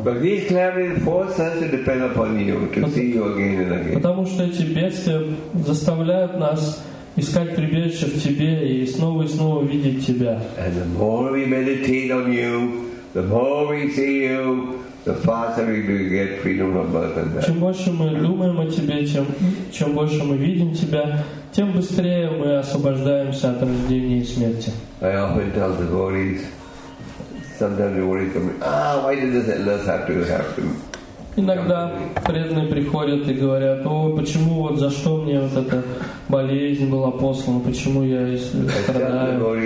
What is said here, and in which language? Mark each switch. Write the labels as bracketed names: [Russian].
[Russian] Потому что эти бедствия заставляют нас искать прибежище в Тебе и снова видеть Тебя. [English] And the more we meditate on You, the more we see You, the faster we will get freedom from birth and death. [Russian] Чем больше мы думаем о Тебе, чем больше мы видим Тебя, тем быстрее мы освобождаемся от рождения и смерти. [English] I often tell the devotees, sometimes devotees come, why did this illness have to happen? [Russian] Иногда преданные приходят и говорят: о, почему, вот за что мне вот эта болезнь была послана, почему я страдаю?